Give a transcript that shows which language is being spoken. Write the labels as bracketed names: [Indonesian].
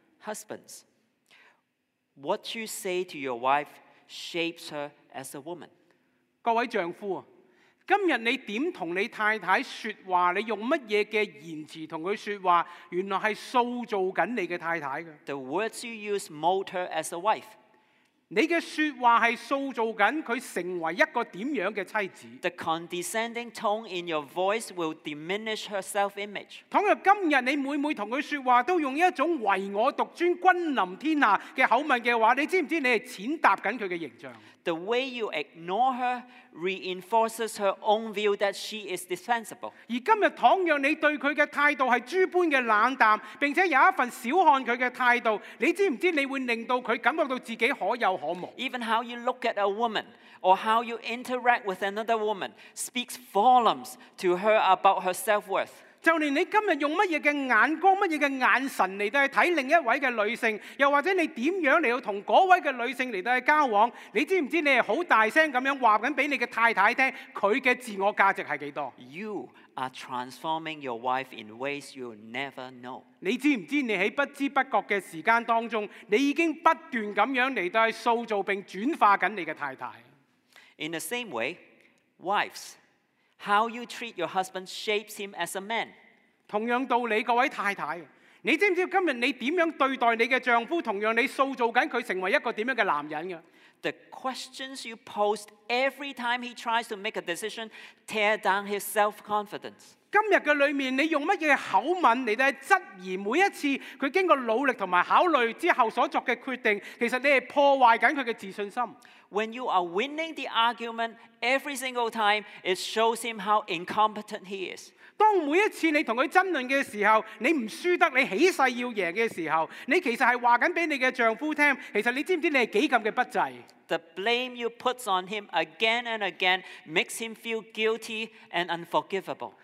[English] Husbands, what you say to your wife shapes her as a woman. [Cantonese] 各位丈夫，今日你點同你太太說話，你用乜嘢嘅言辭同佢說話，原來係塑造緊你嘅太太嘅。 [English] The words you use mold her as a wife. [Cantonese] 你嘅說話係塑造緊佢成為一個點樣嘅妻子。 [English] The condescending tone in your voice will diminish her self-image. [Cantonese] 倘若今日你每每同佢說話都用一種唯我獨尊、君臨天下嘅口吻嘅話，你知唔知你係踐踏緊佢嘅形象？ [English] The way you ignore her reinforces her own view that she is dispensable. [Cantonese] 而今日倘若你對佢嘅態度係豬般嘅冷淡，並且有一份小看佢嘅態度，你知唔知你會令到佢感覺到自己可有可無？ [English] Even how you look at a woman or how you interact with another woman speaks volumes to her about her self-worth. [Cantonese] 就連你今日用乜嘢嘅眼光、乜嘢嘅眼神嚟到去睇另一位嘅女性，又或者你點樣嚟到同嗰位嘅女性嚟到去交往，你知唔知你係好大聲咁樣話緊俾你嘅太太聽，佢嘅自我價值係幾多 [English] ？You are transforming your wife in ways you'll never know. [Cantonese] 你知唔知你喺不知不覺嘅時間當中，你已經不斷咁樣嚟到去塑造並轉化緊你嘅太太 [English] ？In the same way, wives. How you treat your husband shapes him as a man. [Cantonese] 同樣道理，各位太太，你知唔知今日你點樣對待你嘅丈夫，同樣你塑造緊佢成為一個點樣嘅男人嘅。 [English] The questions you pose every time he tries to make a decision tear down his self-confidence. [Cantonese] 今日嘅裏面，你用乜嘢口吻嚟到質疑每一次佢經過努力同埋考慮之後所作嘅決定，其實你係破壞緊佢嘅自信心。 [English] When you are winning the argument every single time, it shows him how incompetent he is. [Cantonese] 當每一次你同佢爭論嘅時候，你唔輸得，你起勢要贏嘅時候，你其實係話緊俾你嘅丈夫聽，其實你知唔知你係幾咁嘅不濟 [English] ？The blame you puts on him again and again makes him feel guilty and unforgivable.